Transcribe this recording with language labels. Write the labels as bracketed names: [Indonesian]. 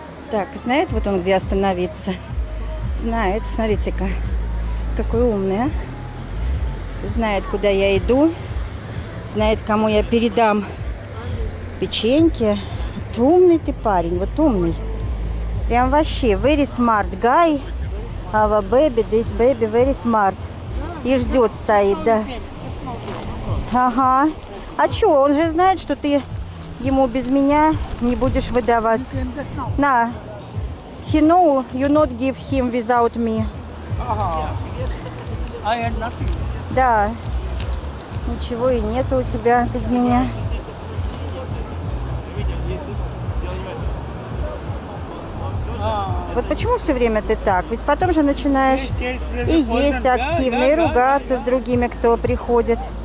[Russian] Так, знает вот он, где остановиться? Знает, смотрите-ка, какой умный, а? Знает, куда я иду, знает, кому я передам печеньки. Вот умный ты парень, вот умный. Прям вообще, [English] very smart guy, our baby, this baby very smart. [Russian] И ждет, стоит, да. Ага, а что, он же знает, что ты ему без меня не будешь выдавать. На. [English] He know you not give him without me. Ага. I had nothing. [Russian] Да. Ничего и нету у тебя без меня. Видел, если я не Вот почему все время ты так? Ведь потом же начинаешь и есть активно, и ругаться с другими, кто приходит.